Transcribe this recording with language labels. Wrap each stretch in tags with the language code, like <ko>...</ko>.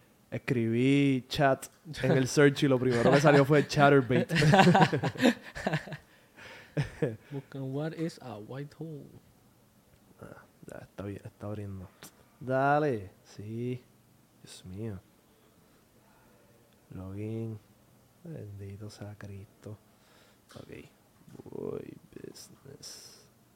<es>Escribí chat en el search y lo primero que salió fue Chatterbait. Buscan</es> <en>what is a white hole.</en> <es>Ya, está bien, está abriendo. Dale, sí. Dios mío. Login. Bendito sea Cristo. Ok.</es> <en>Boy business.</en>